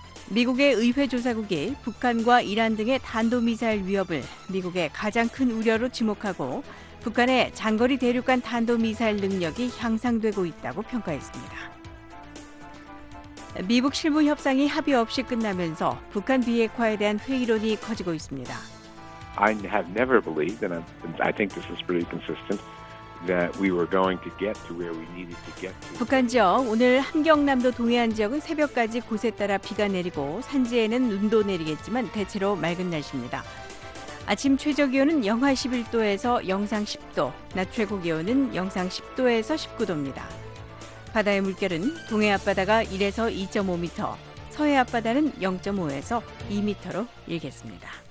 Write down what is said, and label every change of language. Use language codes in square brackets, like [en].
[ko] 미국의 의회조사국이 북한과 이란 등의 단도미사일 위협을 미국의 가장 큰 우려로 지목하고 북한의 장거리 대륙간 탄도미사일 능력이 향상되고 있다고 평가했습니다. 미북 실무 협상이 합의 없이 끝나면서 북한 비핵화에 대한 회의론이 커지고 있습니다. [en] I have never believed, and I think this is pretty consistent, that we were going to get to where we needed to get to. [ko] 북한 지역 오늘 함경남도 동해안 지역은 새벽까지 곳에 따라 비가 내리고 산지에는 눈도 내리겠지만 대체로 맑은 날씨입니다. 아침 최저 기온은 영하 11도에서 영상 10도, 낮 최고 기온은 영상 10도에서 19도입니다. 바다의 물결은 동해 앞바다가 1에서 2.5m, 서해 앞바다는 0.5에서 2m로 일겠습니다.